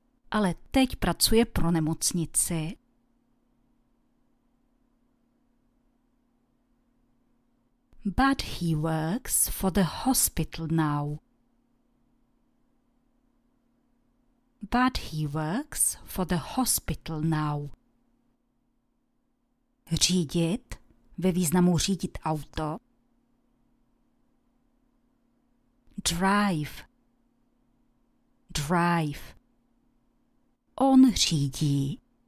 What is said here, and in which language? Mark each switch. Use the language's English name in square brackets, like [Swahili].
[Czech] Ale teď pracuje pro nemocnici. [English] But he works for the hospital now. But he works for the hospital now. [Czech] Řídit ve významu řídit auto. [English] Drive. Drive. [Czech] On řídí.